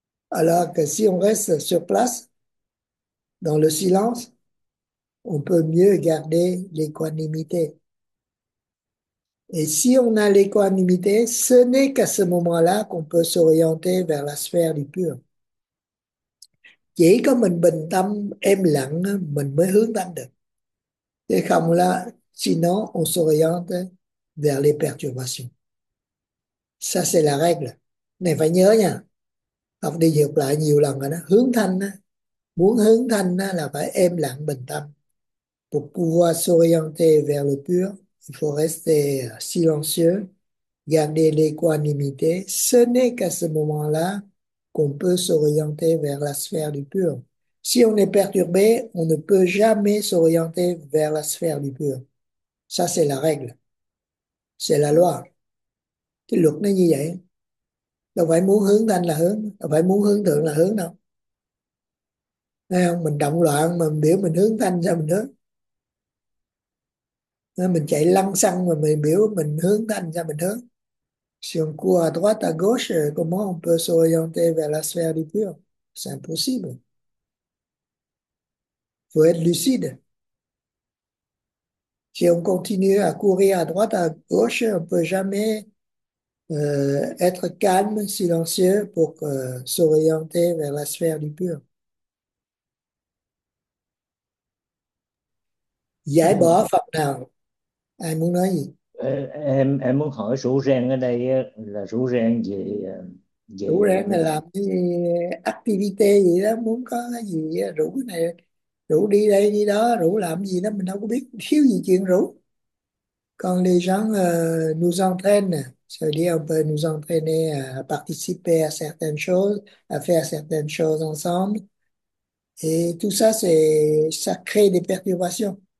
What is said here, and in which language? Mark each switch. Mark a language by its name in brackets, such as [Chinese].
[French] Alors que si on reste sur place, dans le silence, on peut mieux garder l'équanimité. Et si on a l'équanimité, ce n'est qu'à ce moment-là qu'on peut s'orienter vers la sphère du pur. [Vietnamese] Chỉ có mình bình tâm, êm lặng, mình mới hướng tâm được. Thế không là, [French] sinon, on s'oriente vers les perturbations. Ça, c'est la règle. [Vietnamese] Này, phải nhớ nha. Học đi dược lại nhiều lần rồi đó. Hướng thanh á. Muốn hướng thanh á, là phải êm lặng, bình tâm. [French] Pour pouvoir s'orienter vers le pur, il faut rester silencieux, garder l'équanimité. Ce n'est qu'à ce moment-là qu'on peut s'orienter vers la sphère du pur. Si on est perturbé, on ne peut jamais s'orienter vers la sphère du pur. Ça, c'est la règle. C'est la loi. [Vietnamese] Cái luật nó như vậy. Đâu phải muốn hướng thanh là hướng, đâu phải muốn hướng thượng là hướng đâu. Thấy không? Mình động loạn mà mình biểu mình hướng thanh sao mình hướng? Nên mình chạy lăng xăng mà mình biểu mình hướng thanh sao mình hướng? [French] Si on court à droite, à gauche, comment on peut s'orienter vers la sphère du pur? C'est impossible. Faut être lucide. Si on continue à courir à droite, à gauche, on peut jamais être calme, silencieux pour s'orienter vers la sphère du pur. [Vietnamese] Giải bỏ phần nào? Ai muốn nói gì? Em muốn hỏi rủ ren ở đây là rủ ren về Rủ về ràng là làm cái activity gì đó, muốn có cái gì rủ cái này. Rủ đi đây đi đó, rủ làm gì đó, mình đâu có biết thiếu gì chuyện rủ. [French] Còn les gens nous entraînent, c'est-à-dire on peut nous entraîner à participer à certaines choses, à faire certaines choses ensemble. Et tout ça, ça crée des perturbations.